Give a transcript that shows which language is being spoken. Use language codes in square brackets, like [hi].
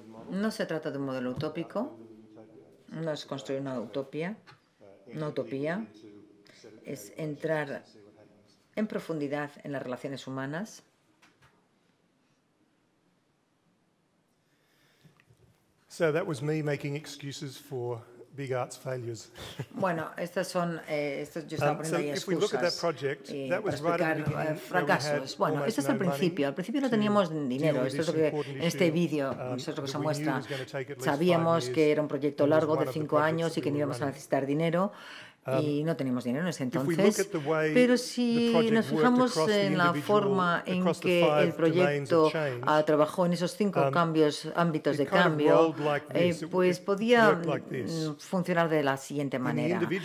[es] No se trata de un modelo utópico. No es construir una utopía. Una utopía es entrar en profundidad en las relaciones humanas. [en] So that was me making excuses for big arts failures. [es] Bueno, estas son estas yo estaba poniendo excusas. [en] So if we look at that project, that was right at the beginning. [es] Fracasos. Bueno, esto es al principio. Al principio no teníamos dinero. Esto es lo que en este vídeo, esto es lo que se muestra. Sabíamos que era un proyecto largo de 5 años y que no íbamos a necesitar dinero. Y no teníamos dinero en ese entonces, pero si nos fijamos en la forma en que el proyecto trabajó en esos 5 cambios, ámbitos de cambio, pues podía funcionar de la siguiente manera.